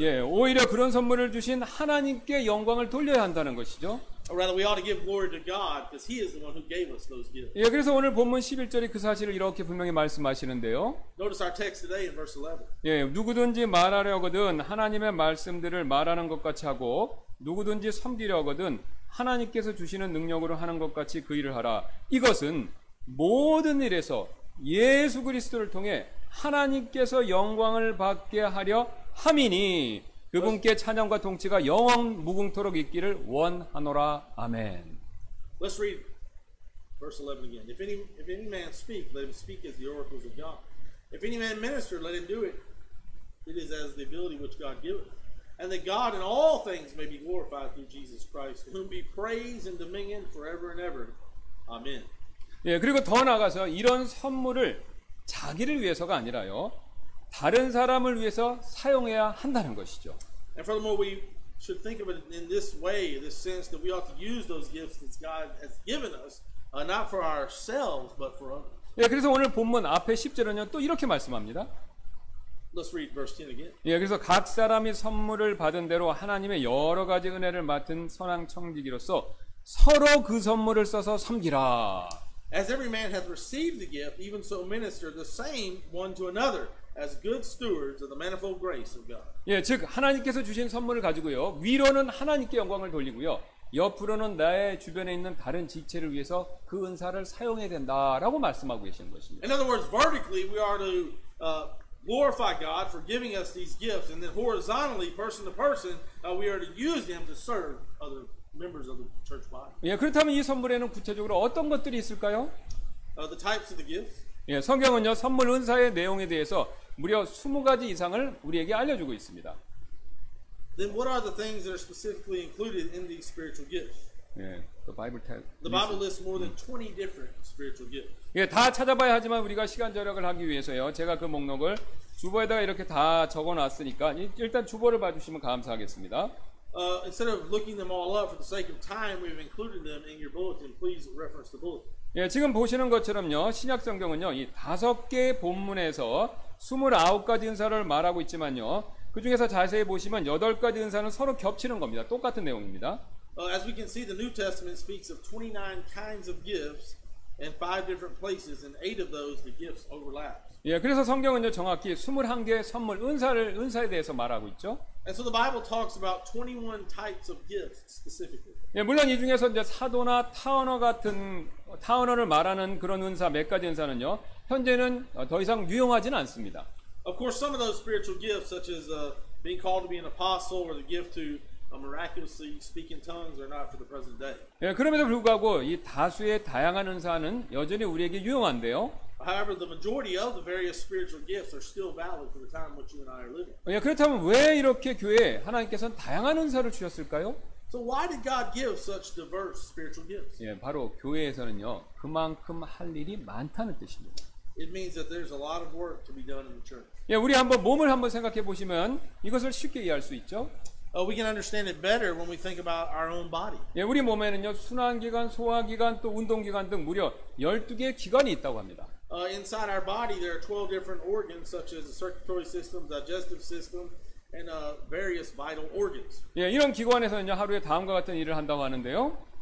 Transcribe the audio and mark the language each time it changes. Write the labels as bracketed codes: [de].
[ko] 예, 오히려 그런 선물을 주신 하나님께 영광을 돌려야 한다는 것이죠. [en] Rather, we ought to give glory to God because He is the one who gave us those gifts. [ko] 예, 그래서 오늘 본문 11절이 그 사실을 이렇게 분명히 말씀하시는데요. [en] Notice our text today in verse 11. [ko] 예, 누구든지 말하려거든 하나님의 말씀들을 말하는 것 같이 하고 누구든지 섬기려거든 하나님께서 주시는 능력으로 하는 것 같이 그 일을 하라. 이것은 모든 일에서 예수 그리스도를 통해 하나님께서 영광을 받게 하려 함이니 그분께 찬양과 통치가 영원 무궁토록 있기를 원하노라. 아멘. [en] Let's read verse 11 again. If any man speak, let him speak as the oracles of God. If any man minister, let him do it. It is as the ability which God giveth. And that God in all things may be glorified through Jesus Christ, whom be praise and dominion forever and ever. Amen. [ko] 예, 그리고 더 나아가서 이런 선물을 자기를 위해서가 아니라요, 다른 사람을 위해서 사용해야 한다는 것이죠. [en] And furthermore, we should think of it in this way, this sense that we ought to use those gifts that God has given us, not for ourselves, but for others. [ko] 예, 그래서 오늘 본문 앞에 10절은요, 또 이렇게 말씀합니다. [en] Let's read verse 10 again. [ko] 예, 그래서 각 사람이 선물을 받은 대로 하나님의 여러 가지 은혜를 맡은 선한 청지기로서 서로 그 선물을 써서 섬기라. [en] As every man hath received the gift, even so minister the same one to another as good stewards of the manifold grace of God. [ko] 예, 즉 하나님께서 주신 선물을 가지고요 위로는 하나님께 영광을 돌리고요 옆으로는 나의 주변에 있는 다른 지체를 위해서 그 은사를 사용해야 된다라고 말씀하고 계시는 것입니다. [en] In other words, vertically we are to glorify God for giving us these gifts, and then horizontally, person to person, we are to use them to serve other members of the church body. [ko] 예, 그렇다면 이 선물에는 구체적으로 어떤 것들이 있을까요? [en] The types of the gifts. [ko] 예, 성경은요 선물 은사의 내용에 대해서 무려 20가지 이상을 우리에게 알려주고 있습니다. [en] Then what are the things that are specifically included in these spiritual gifts? 예, the Bible tells. The Bible lists more than 20 different spiritual gifts. [ko] 예, 다 찾아봐야 하지만 우리가 시간 절약을 하기 위해서요 제가 그 목록을 주보에다가 이렇게 다 적어놨으니까 일단 주보를 봐주시면 감사하겠습니다. [en] Instead of looking them all up for the sake of time, we've included them in your bulletin. Please reference the bulletin. [ko] 예, 지금 보시는 것처럼요 신약 성경은요 이 다섯 개 본문에서 29가지 은사를 말하고 있지만요 그 중에서 자세히 보시면 8가지 은사는 서로 겹치는 겁니다. 똑같은 내용입니다. [en] As we can see, the New Testament speaks of 29 kinds of gifts. And five different places, and eight of those the gifts overlap. [ko] 예, 그래서 성경은요 정확히 21개의 선물 은사에 대해서 말하고 있죠. [en] And so the Bible talks about 21 types of gifts specifically. [ko] 예, 물론 이 중에서 이제 사도나 타워너 같은 타워너를 말하는 그런 은사 몇 가지 은사는요 현재는 더 이상 유용하지는 않습니다. [en] Of course, some of those spiritual gifts, such as being called to be an apostle or the gift to miraculously speak in tongues are not for the present day. [ko] 예, 그럼에도 불구하고 이 다수의 다양한 은사는 여전히 우리에게 유용한데요. [en] However, the majority of the various spiritual gifts are still valid for the time in which you and I are living. [ko] 예, 그렇다면 왜 이렇게 교회에 하나님께서는 다양한 은사를 주셨을까요? [en] So why did God give such diverse spiritual gifts? [ko] 예, 바로 교회에서는요 그만큼 할 일이 많다는 뜻입니다. [en] It means that there's a lot of work to be done in the church. [ko] 예, 우리 한번 몸을 한번 생각해 보시면 이것을 쉽게 이해할 수 있죠. [en] We can understand it better when we think about our own body. [ko] 예, 우리 몸에는요 순환기관, 소화기관, 또 운동기관 등 무려 12개의 기관이 있다고 합니다. [en] Inside our body, there are 12 different organs, such as the circulatory system, digestive system, and various vital organs. [ko] 예, 이런 기관에서 이제 하루에 다음과 같은 일을 한다고 하는데요.